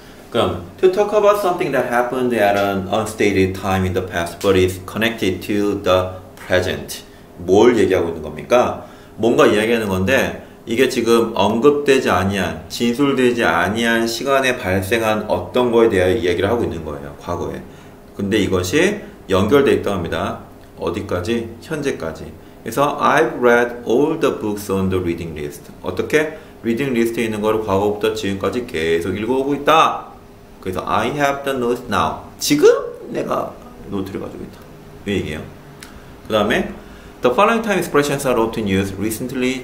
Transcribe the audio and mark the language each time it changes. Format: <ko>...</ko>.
<ko>그럼</ko> <en>to talk about something that happened at an unstated time in the past but is connected to the present.</en> <ko>뭘 얘기하고 있는 겁니까? 뭔가 이야기하는 건데, 이게 지금 언급되지 아니한, 진술되지 아니한 시간에 발생한 어떤 거에 대해 이야기를 하고 있는 거예요, 과거에. 근데 이것이 연결되어 있다고 합니다. 어디까지? 현재까지. 그래서</ko> <en>I've read all the books on the reading list.</en> <ko>어떻게? reading list에 있는 거를 과거부터 지금까지 계속 읽어오고 있다. 그래서</ko> <en>I have the notes now.</en> <ko>지금 내가 노트를 가지고 있다. 이 얘기예요. 그 다음에</ko> <en>The following time expressions are often used recently.</en>